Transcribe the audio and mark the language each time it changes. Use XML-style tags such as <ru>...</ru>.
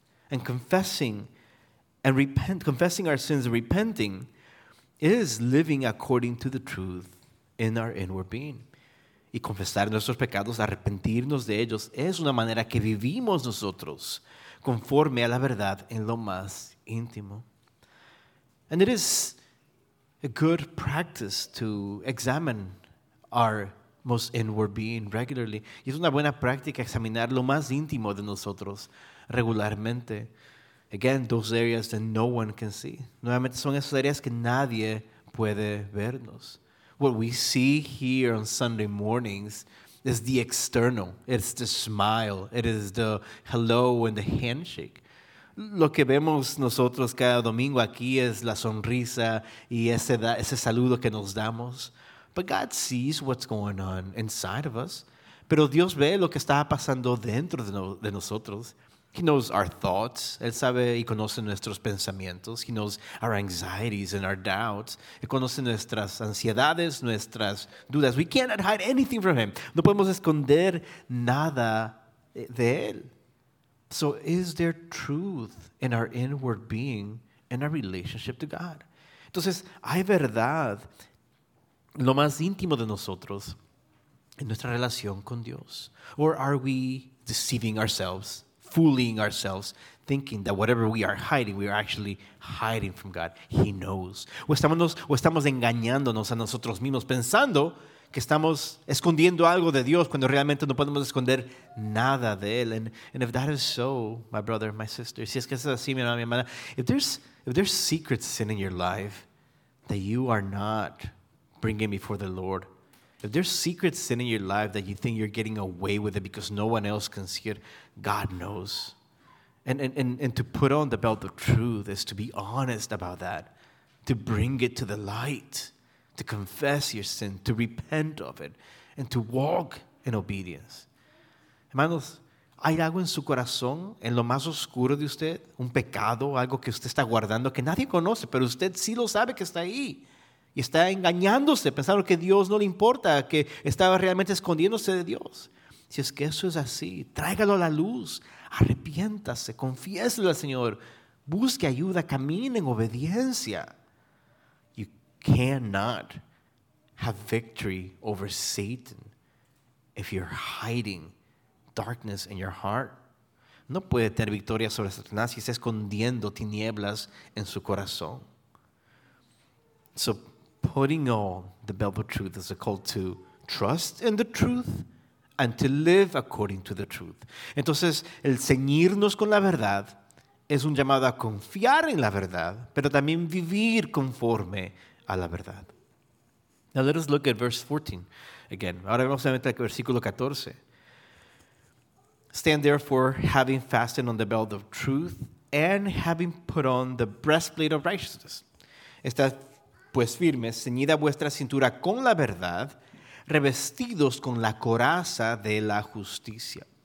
<en>And confessing and repent, confessing our sins and repenting is living according to the truth in our inward being.</en> <es>Y confesar nuestros pecados, arrepentirnos de ellos, es una manera que vivimos nosotros conforme a la verdad en lo más íntimo.</es> <en>And it is a good practice to examine our most inward being regularly.</en> <es>Y es una buena práctica examinar lo más íntimo de nosotros regularmente.</es> <en>Again, those areas that no one can see.</en> <es>Nuevamente, son esas áreas que nadie puede vernos.</es> <en>What we see here on Sunday mornings is the external. It's the smile. It is the hello and the handshake.</en> <es>Lo que vemos nosotros cada domingo aquí es la sonrisa y ese saludo que nos damos.</es> <en>But God sees what's going on inside of us.</en> <es>Pero Dios ve lo que está pasando dentro de nosotros.</es> <en>He knows our thoughts.</en> <es>Él sabe y conoce nuestros pensamientos.</es> <en>He knows our anxieties and our doubts.</en> <es>Él conoce nuestras ansiedades, nuestras dudas.</es> <en>We cannot hide anything from him.</en> <es>No podemos esconder nada de él.</es> <en>So is there truth in our inward being and our relationship to God?</en> <es>Entonces, hay verdad en lo más íntimo de nosotros, en nuestra relación con Dios.</es> <en>Or are we deceiving ourselves, fooling ourselves, thinking that whatever we are hiding, we are actually hiding from God? He knows.</en> <es>O estamos engañándonos a nosotros mismos, pensando que estamos escondiendo algo de Dios cuando realmente no podemos esconder nada de él.</es> <en>And if that is so, my brother, my sister,</en> <es>si es que es así, mi hermana,</es> <en>mi hermana, if there's secret sin in your life that you are not bringing before the Lord, if there's secret sin in your life that you think you're getting away with it because no one else can see it, God knows. And to put on the belt of truth is to be honest about that, to bring it to the light, to confess your sin, to repent of it, and to walk in obedience.</en> <es>Hermanos, ¿hay algo en su corazón, en lo más oscuro de usted, un pecado, algo que usted está guardando que nadie conoce, pero usted sí lo sabe que está ahí? Y está engañándose, pensando que Dios no le importa, que estaba realmente escondiéndose de Dios. Si es que eso es así, tráigalo a la luz, arrepiéntase, confiésele al Señor, busque ayuda, camine en obediencia.</es> <en>You cannot have victory over Satan if you're hiding darkness in your heart.</en> <es>No puede tener victoria sobre Satanás si está escondiendo tinieblas en su corazón.</es> <en>So, putting on the belt of truth is a call to trust in the truth and to live according to the truth.</en> <es>Entonces, el ceñirnos con la verdad es un llamado a confiar en la verdad, pero también vivir conforme a la verdad.</es> <en>Now let us look at verse 14 again.</en> <es>Ahora vamos a meter al versículo 14.</es> <en>Stand therefore, having fastened on the belt of truth and having put on the breastplate of righteousness.</en> <es>Está pues firmes, ceñida vuestra cintura con la verdad, revestidos con la coraza de la justicia.</es>